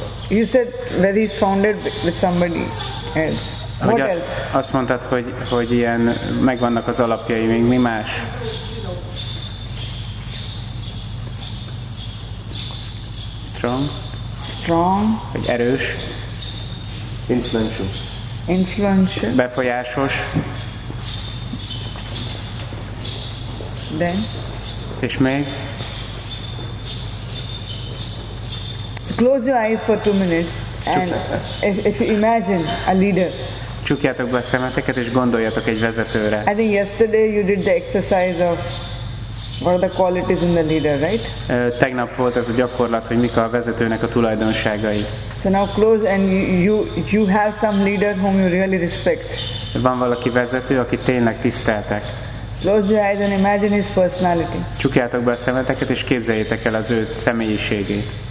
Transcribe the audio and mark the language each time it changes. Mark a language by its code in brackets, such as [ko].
[en] You said that he's founded with somebody else. What else? [hu] Azt mondtad, hogy ilyen megvannak az alapjai, még mi más? [en] Strong. [hu] Vagy erős. [en] Influential. [hu] Befolyásos. [en] Then. [hu] És még? [en] Close your eyes for 2 minutes and if you imagine a leader. [hu] Csukjátok be a szemeteket és gondoljatok egy vezetőre. [en] I think yesterday you did the exercise of what are the qualities in the leader, right? [hu] Tegnap volt ez a gyakorlat, hogy mik a vezetőnek a tulajdonságai. [en] So now close and you have some leader whom you really respect. [hu] Van valaki vezető, akit tényleg tiszteltek. [en] Close your eyes and imagine his personality. [hu] Csukjátok be a szemeteket és képzeljétek el az ő személyiségét.